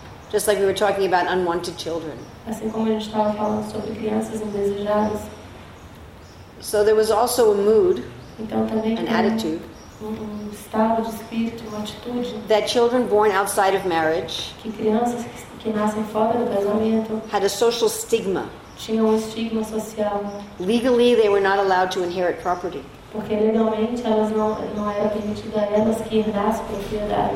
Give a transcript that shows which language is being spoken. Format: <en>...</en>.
<en>Just like we were talking about unwanted children.</en> <pt>Assim como a gente estava falando sobre crianças indesejadas.</pt> <en>So there was also a mood,</en> <pt>então, também</pt> <en>an attitude,</en> <pt>um estado de espírito, uma atitude,</pt> <en>that children born outside of marriage,</en> <pt>que crianças que nascem fora do casamento,</pt> <en>had a social stigma.</en> <pt>Tinham um estigma social.</pt> <en>Legally, they were not allowed to inherit property.</en> <pt>Porque legalmente elas não era permitido a elas que herdassem propriedade.</pt>